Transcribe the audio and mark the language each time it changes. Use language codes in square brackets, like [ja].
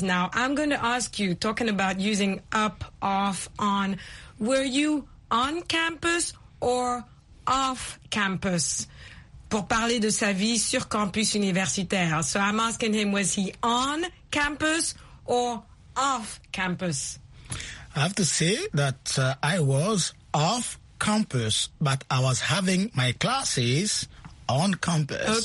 [en] Now, I'm going to ask you, talking about using up, off, on, were you on campus or off campus? [fr] Pour parler de sa vie sur campus universitaire. [en] So I'm asking him, was he on campus or off campus? I have to say that I was off campus, but I was having my classes on campus.